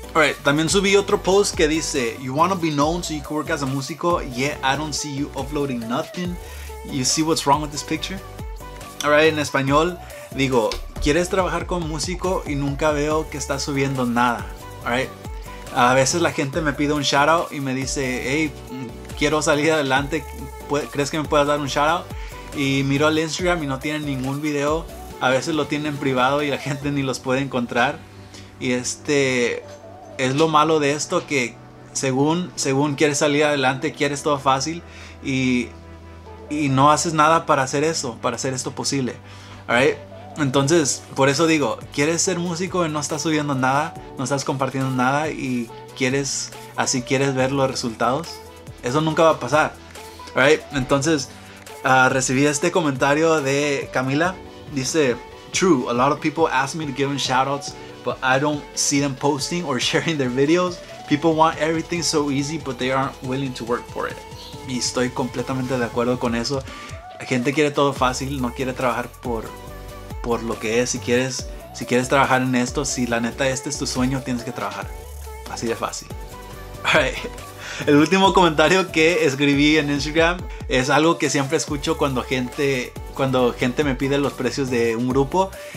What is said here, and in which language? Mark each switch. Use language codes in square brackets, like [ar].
[es] Alright, también subí otro post que dice: [en] "You want to be known so you can work as a músico, yet I don't see you uploading nothing. You see what's wrong with this picture?" Alright, [es] en español digo: "¿Quieres trabajar con músico y nunca veo que estás subiendo nada?" Alright. A veces la gente me pide un shoutout y me dice: "Hey, quiero salir adelante, ¿crees que me puedas dar un shoutout?" Y miro al Instagram y no tienen ningún video. A veces lo tienen privado y la gente ni los puede encontrar. Y es lo malo de esto, que según quieres salir adelante, quieres todo fácil y no haces nada para hacer esto posible. [en] Alright. [es] Entonces, por eso digo, ¿quieres ser músico y no estás subiendo nada, no estás compartiendo nada y quieres ver los resultados? Eso nunca va a pasar. [en] Alright, [es] entonces recibí este comentario de Camila. Dice: [en] "True, a lot of people ask me to give them shoutouts, but I don't see them posting or sharing their videos. People want everything so easy, but they aren't willing to work for it. [es] Y estoy completamente de acuerdo con eso. La gente quiere todo fácil, no quiere trabajar por lo que es. Si quieres trabajar en esto, si la neta este es tu sueño, tienes que trabajar. Así de fácil. [en] Alright. [es] El último comentario que escribí en Instagram es algo que siempre escucho cuando gente me pide los precios de un grupo.